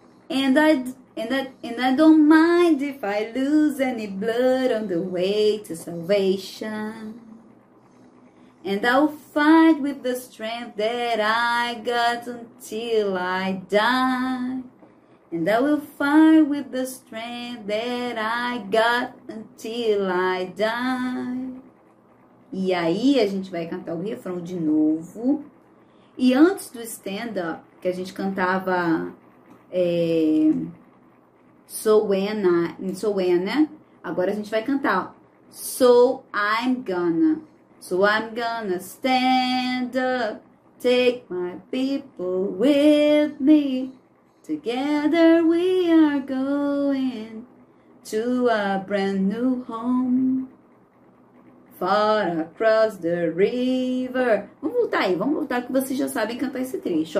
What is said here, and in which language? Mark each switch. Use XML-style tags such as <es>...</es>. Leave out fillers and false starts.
<en>And I don't mind if I lose any blood on the way to salvation. And I'll fight with the strength that I got until I die. And I will fight with the strength that I got until I die.</en> <pt>E aí a gente vai cantar o refrão de novo. E antes do stand-up, que a gente cantava So Anna, So Anna, agora a gente vai cantar</pt> <en>So I'm gonna stand up, take my people with me. Together we are going to a brand new home, far across the river.</en> <pt>Vamos voltar aí, vamos voltar que vocês já sabem cantar esse trecho.</pt>